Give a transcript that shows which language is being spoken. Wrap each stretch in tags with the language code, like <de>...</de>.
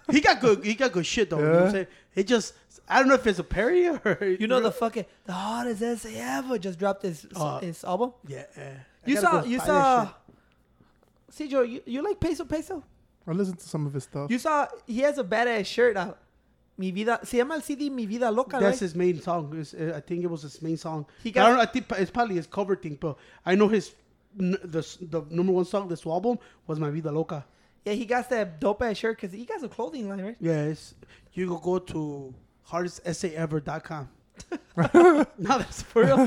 <en>He got good. He got good shit though. Yeah. You know what I'm saying? It just, I don't know if it's a parody or you know, bro. The hardest essay ever just dropped his album. Yeah, you saw. CJ, you like Peso? I listened to some of his stuff. You saw he has a badass shirt out.</en> <es>Mi vida, se llama el CD Mi Vida Loca.</es> <en>That's right? His main song. I think it was his main song. It's probably his cover thing, but I know his the number one song, this album, was Mi Vida Loca. Yeah, he got that dope ass shirt because he got a clothing line, right? Yes. Yeah, you go to hardestessayever.com. No, that's for real.</en>